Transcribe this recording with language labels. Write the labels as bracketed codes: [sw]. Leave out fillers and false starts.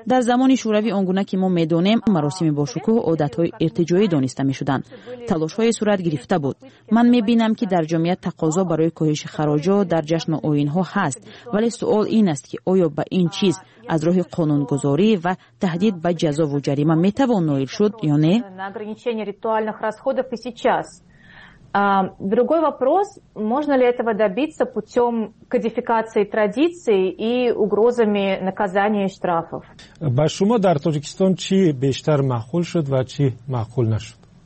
[fa] در زمان شوروی آنگونه که ما میدونیم مراسم باشکوه عادت های ارتجاعی دانسته میشدند، تلاش های صورت گرفته بود. من میبینم که در جامعه تقاضا برای کاهش خراج ها در جشن و آیین ها هست، ولی سوال این است که آیا به این چیز از روح قانون گذاری و تهدید به جزا و جریمه می توان نایل شد یا نه؟ [ru] На ограничение ритуальных расходов и сейчас. Другой вопрос, можно ли этого добиться путем кодификации традиций и угрозами наказания и штрафов? [tg] Ба шумо дар Таҷикистон чи бештар маъқул шуд ва чи маъқул нашуд?